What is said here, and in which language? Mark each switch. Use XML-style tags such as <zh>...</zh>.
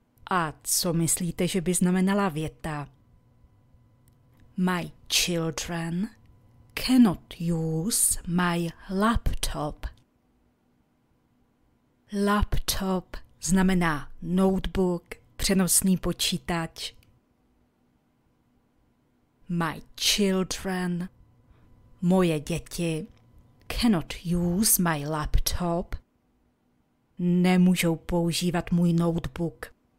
<cs>A co myslíte, že by znamenala věta?</cs> <en>My children cannot use my laptop.</en> <cs>Laptop znamená notebook, přenosný počítač.</cs> <en>My children,</en> <cs>moje děti,</cs> <en>cannot use my laptop,</en> <cs>nemůžou používat můj notebook.</cs>